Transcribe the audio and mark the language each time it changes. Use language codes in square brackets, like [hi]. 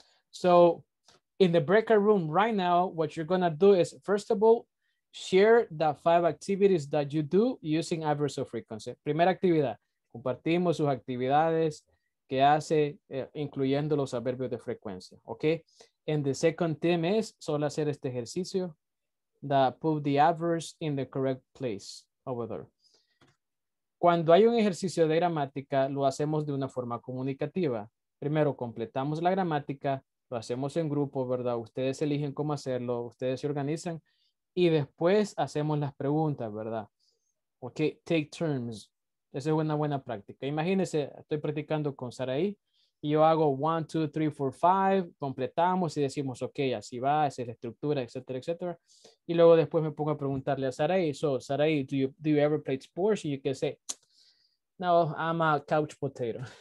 [en] So in the breakout room right now, what you're going to do is, first of all, share the five activities that you do using adverbs of frequency. [es] Primera actividad. Compartimos sus actividades que hace, incluyendo los adverbios de frecuencia, ¿ok? [en] And the second theme is, [es] solo hacer este ejercicio, [en] the put the adverbs in the correct place over there. [es] Cuando hay un ejercicio de gramática, lo hacemos de una forma comunicativa. Primero, completamos la gramática, lo hacemos en grupo, ¿verdad? Ustedes eligen cómo hacerlo, ustedes se organizan, y después hacemos las preguntas, ¿verdad? Ok, [en] take turns. [es] Esa es una buena práctica. Imagínense, estoy practicando con Saraí y yo hago 1, 2, 3, 4, 5, completamos y decimos, ok, así va, esa es la estructura, etcétera, etcétera. Y luego después me pongo a preguntarle a Saraí, [en] so, Saraí, do you ever play sports? Y you can say, no, I'm a couch potato.